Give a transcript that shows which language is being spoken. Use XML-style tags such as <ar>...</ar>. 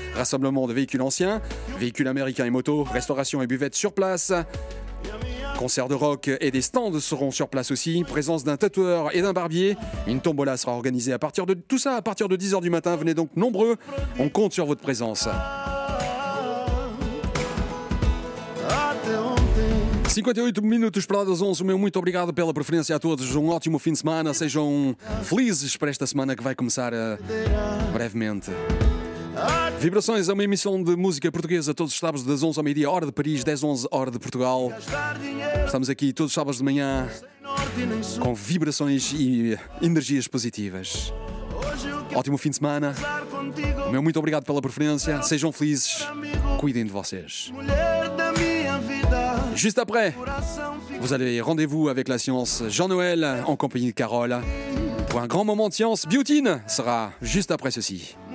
<fr>Rassemblement de véhicules anciens, véhicules américains et motos, restauration et buvette sur place. Concerts de rock et des stands seront sur place aussi. Présence d'un tatoueur et d'un barbier. Une tombola sera organisée à partir de tout ça à partir de 10h du matin. Venez donc nombreux, on compte sur votre présence.</fr> <pt>58 minutos para as 11, meu muito obrigado pela preferência a todos. Um ótimo fim de semana, sejam felizes para esta semana que vai começar brevemente. Vibrações é uma emissão de música portuguesa todos os sábados das 11 ao meio-dia, hora de Paris, 10-11, hora de Portugal. Estamos aqui todos os sábados de manhã com vibrações e energias positivas. Ótimo fim de semana, meu muito obrigado pela preferência, sejam felizes, cuidem de vocês.</pt> <fr>Juste après, vous avez rendez-vous avec la science Jean-Noël en compagnie de Carole pour un grand moment de science. Beautine sera juste après ceci.</fr>